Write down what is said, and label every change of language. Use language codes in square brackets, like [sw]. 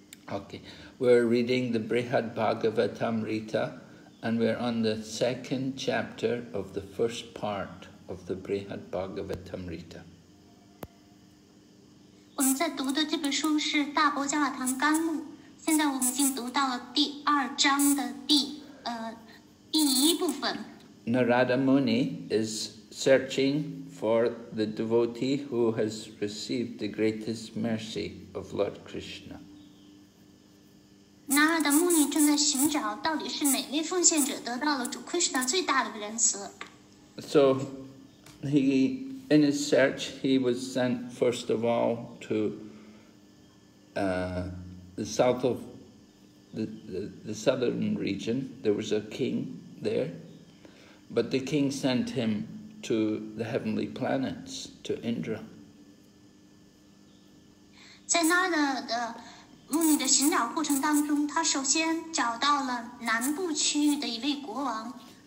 [en] Okay, we're reading the Brihad Bhagavatamrita and we're on the second chapter of the first part of the Brihad Bhagavatamrita. [zh] 我们在读的这本书是《大伯加瓦堂纲目》，现在我们已经读到了第二章的第一部分。 [en] Narada Muni is searching for the devotee who has received the greatest mercy of Lord Krishna. [zh] Narada Muni 正在寻找到底是哪位奉献者得到了主 Krishna 最大的仁慈。 [en] So. He, in his search, he was sent first of all to the south of the southern region. There was a king there, but the king sent him to the heavenly planets, to Indra. [zh] 在他的寻找过程当中，他首先找到了南部区域的一位国王。